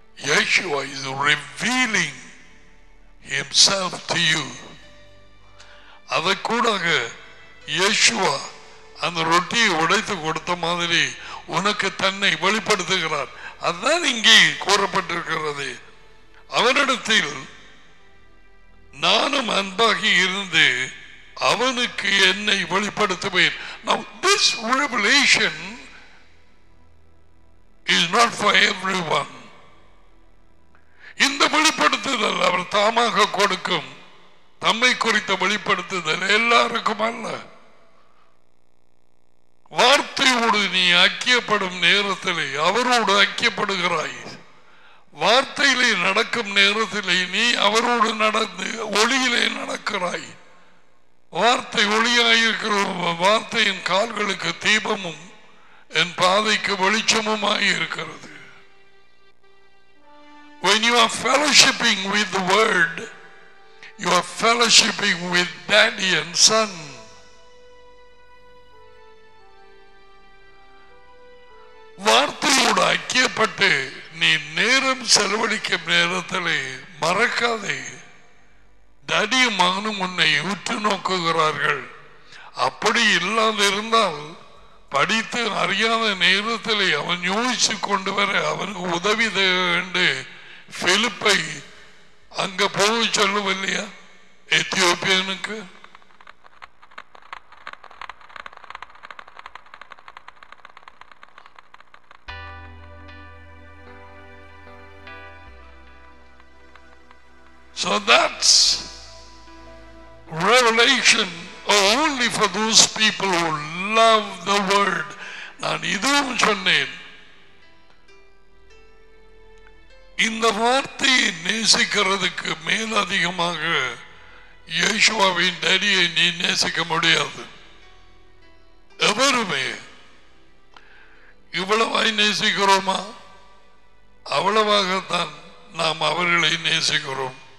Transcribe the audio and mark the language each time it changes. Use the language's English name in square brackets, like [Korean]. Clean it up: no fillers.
[English] Yeshua is revealing himself to you. [Tamil] அதை கூட யேசுவா அந்த ரொட்டியை உடைத்து கொடுத்த மாதிரி உனக்கு தன்னை வெளிப்படுத்துகிறார். அதுதான் இங்கே கூறப்பட்டிருக்கிறது. அவனிடத்தில் நானும் அன்பாகி இருந்து அவனுக்கு என்னை வெளிப்படுத்துவேன். [English] Now this revelation is not for everyone. [Tamil] இந்த வெளிப்படுத்துதல் அவர் தாமாக கொடுக்கும். தம்மை குறித்த வெளிப்படுத்துதல் எல்லாருக்கும் அல்ல. வார்த்தையோடு நீ ஐக்கியப்படும் நேரத்திலே அவரோடு ஐக்கியப்படுகிறாய். வார்த்தையிலே நடக்கும் நேரத்திலே நீ அவரோடு நடந்து ஒளியிலே நடக்கிறாய். வார்த்தை ஒளியாயிருக்கிற வார்த்தையின் கால்களுக்கு தீபமும் என் பாதைக்கு வெளிச்சமுமாய் இருக்கிறது. [English] When you are fellowshipping with the word, you are fellowshipping with daddy and son. [Tamil] வார்த்தையோடு ஐக்கியப்பட்டு நீ நேரம் செலவழிக்கும் நேரத்தில் மறக்காதே, டாடியும் மகனும் உன்னை உற்று நோக்குகிறார்கள். அப்படி இல்லாதிருந்தால் படித்து அறியாத நேரத்தில் அவன் யோசிச்சு கொண்டு வர அவனுக்கு உதவி தேவை என்று பிலிப்பை அங்க போக சொல்லவில்லையா? [English] எத்தியோப்பியனுக்கு So that's revelation only for those people who love the word. [Tamil] நான் இதுவும் சொன்னேன், இந்த வார்த்தையை நேசிக்கிறதுக்கு மேலதிகமாக யேசுவாவின் டேடியை நீ நேசிக்க முடியாது. எவருமே இவ்வளவாய் நேசிக்கிறோமா அவ்வளவாகத்தான் நாம் அவர்களை நேசிக்கிறோம்.